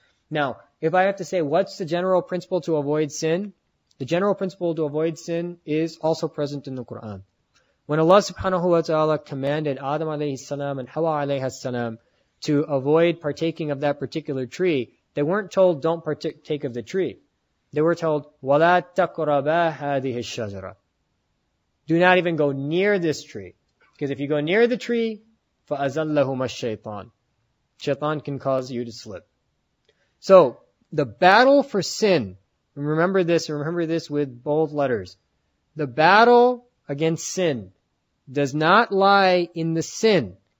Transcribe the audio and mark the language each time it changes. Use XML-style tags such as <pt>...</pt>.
<en>Now, if I have to say, what's the general principle to avoid sin? The general principle to avoid sin is also present in the Quran. When Allah subhanahu wa ta'ala commanded Adam alayhi salam and Hawa alayhi salam to avoid partaking of that particular tree, they weren't told, don't partake of the tree. They were told,</en> <ar>وَلَا تَقْرَبَا هَذِهِ الشَّجَرَ.</ar> <en>Do not even go near this tree. Because if you go near the tree,</en> <ar>فَأَزَلَّهُمَا الشَّيْطَانِ.</ar> <en>Shaitan can cause you to slip. So, the battle for sin, remember this with bold letters. The battle against sin does not lie in the sin.</en>